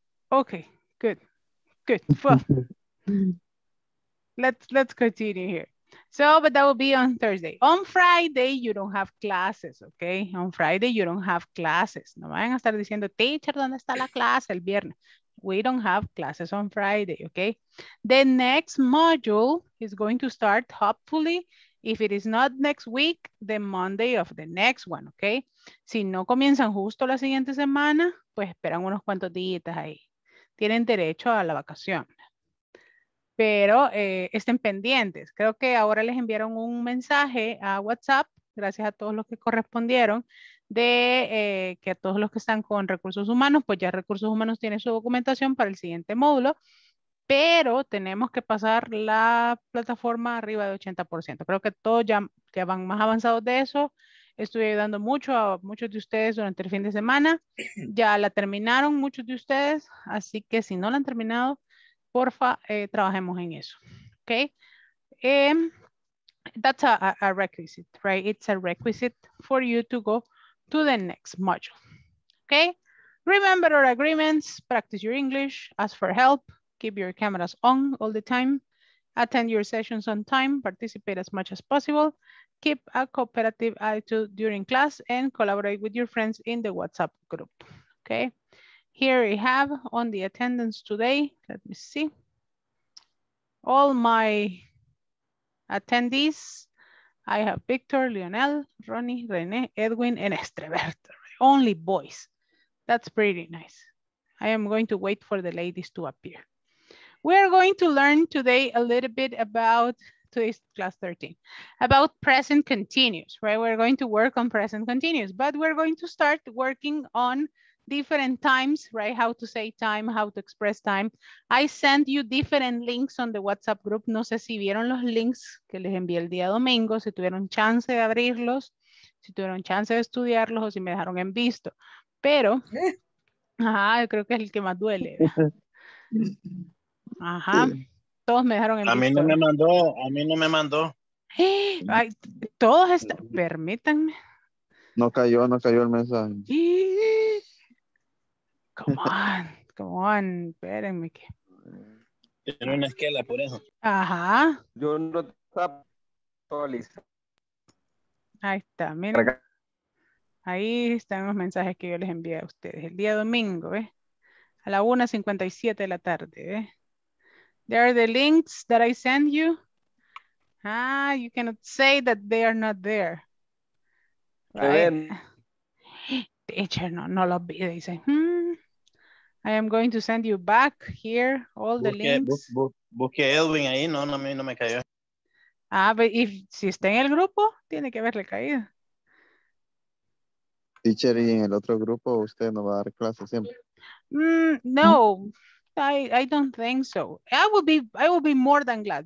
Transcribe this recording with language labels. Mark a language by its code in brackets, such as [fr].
[en] Ok. Good. Good. Well, let's continue here. So, but that will be on Thursday. On Friday, you don't have classes, okay? On Friday, you don't have classes. [es] No vayan a estar diciendo, teacher, ¿dónde está la clase el viernes? [en] We don't have classes on Friday, okay? The next module is going to start, hopefully, if it is not next week, the Monday of the next one, okay? [es] Si no comienzan justo la siguiente semana, pues esperan unos cuantos días ahí. Tienen derecho a la vacación. Pero estén pendientes. Creo que ahora les enviaron un mensaje a WhatsApp, gracias a todos los que correspondieron, de que a todos los que están con recursos humanos, pues ya recursos humanos tiene su documentación para el siguiente módulo, pero tenemos que pasar la plataforma arriba de 80%. Creo que todos ya van más avanzados de eso. Estuve ayudando mucho a muchos de ustedes durante el fin de semana. Ya la terminaron muchos de ustedes, así que si no la han terminado, porfa, trabajemos en eso, okay? [en] That's a requisite, right? It's a requisite for you to go to the next module, okay? Remember our agreements, practice your English, ask for help, keep your cameras on all the time, attend your sessions on time, participate as much as possible, keep a cooperative attitude during class, and collaborate with your friends in the WhatsApp group, okay? Here we have on the attendance today, let me see, all my attendees. I have Victor, Lionel, Ronnie, René, Edwin, and Estrebert, only boys. That's pretty nice. I am going to wait for the ladies to appear. We are going to learn today a little bit about today's class 13, about present continuous, right? We're going to work on present continuous, but we're going to start working on different times, right? How to say time, how to express time. I sent you different links on the WhatsApp group. [es] No sé si vieron los links que les envié el día domingo, si tuvieron chance de abrirlos, si tuvieron chance de estudiarlos o si me dejaron en visto. Pero, yo creo que es el que más duele. Ajá, todos me dejaron en visto. A mí no me mandó. Ay, todos están, permítanme. No cayó el mensaje. Y... [en] Come on, [es] espérenme que... Tiene una esquela, por eso. Ajá. Yo no estaba listo. Ahí está, mira. Ahí están los mensajes que yo les envié a ustedes. El día domingo, ¿eh? A la 1:57 de la tarde, ¿eh? [en] There are the links that I send you. Ah, you cannot say that they are not there. Right? [es] Teacher, no los vi, dice. [en] I am going to send you back here all the [es] busque, [en] links. [es] Busque Edwin ahí, no, a mí no me cayó. Ah, pero si está en el grupo, tiene que haberle caído. Teacher, ¿y en el otro grupo usted no va a dar clases siempre? [en] No, I don't think so. I will be more than glad.